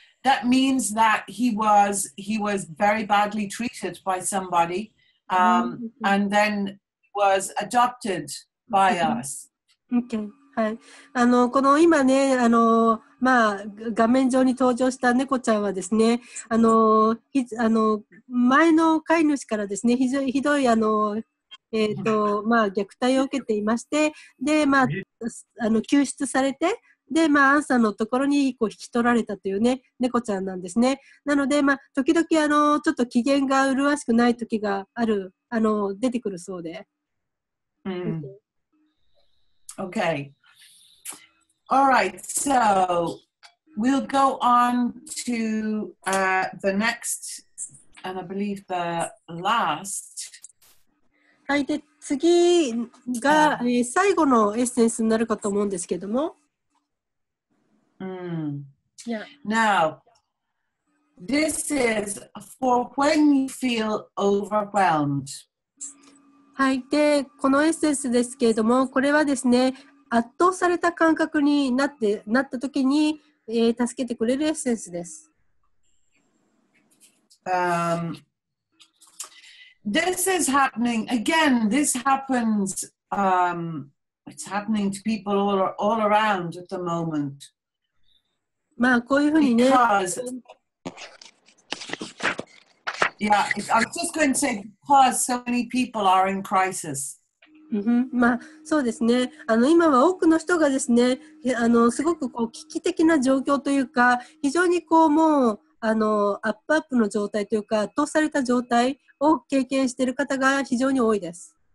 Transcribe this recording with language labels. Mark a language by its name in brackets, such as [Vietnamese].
[English] That means that he was very badly treated by somebody. And then was adopted by us. [Japanese] Okay. はい、この今ね、まあ、画面上に登場した猫ちゃんはですね、前の飼い主からですね、ひどい虐待を受けていまして、で、まあ、救出されて、で、まあ、アンさんのところにこう引き取られたというね、猫ちゃんなんですね。なので、まあ、時々ちょっと機嫌が麗しくない時がある、出てくるそうで。 [English] Okay. All right. So we'll go on to the next, and I believe the last. [Japanese] はい、で、次が、最後のエッセンスになるかと思うんですけども。 [English] Yeah. Now, this is for when you feel overwhelmed. [Japanese] はい、でこのエッセンスですけれども、これはですね、圧倒された感覚になってなった時に、助けてくれるエッセンスです。 [English] This is happening again. This happens. It's happening to people all around at the moment. [Japanese] まあこういうふうにね。 [English] Because... Yeah, I was just going to say because so many people are in crisis. [Japanese] まあそうですね。今は多くの人がですね、すごくこう危機的な状況というか、非常にこうもうアップアップの状態というか、圧倒された状態を経験している方が非常に多いです。